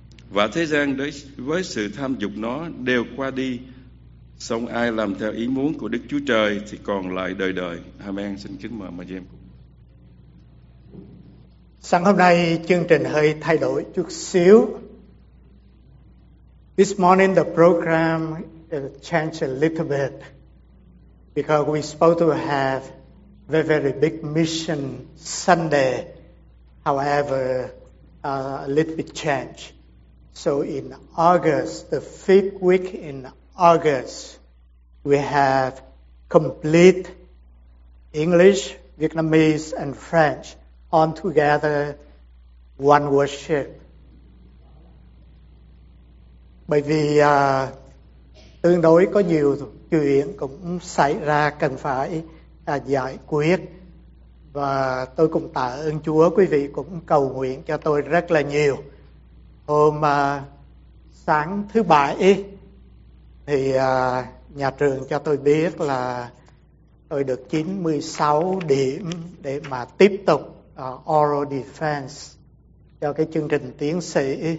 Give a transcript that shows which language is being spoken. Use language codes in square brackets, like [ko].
[vi] Và thế gian với sự tham dục nó đều qua đi. Song ai làm theo ý muốn của Đức Chúa Trời thì còn lại đời đời. Amen. Xin kính mời mời em. Sáng hôm nay chương trình hơi thay đổi chút xíu. [en] This morning the program changed a little bit because we're supposed to have very very big mission Sunday. However, a little bit changed. So in August, the fifth week in August, we have complete English, Vietnamese, and French on together, one worship. [vi] Bởi vì tương đối có nhiều chuyện cũng xảy ra cần phải giải quyết. Và tôi cũng tạ ơn Chúa, quý vị cũng cầu nguyện cho tôi rất là nhiều. Hôm sáng thứ bảy thì nhà trường cho tôi biết là tôi được 96 điểm để mà tiếp tục oral defense cho cái chương trình tiến sĩ.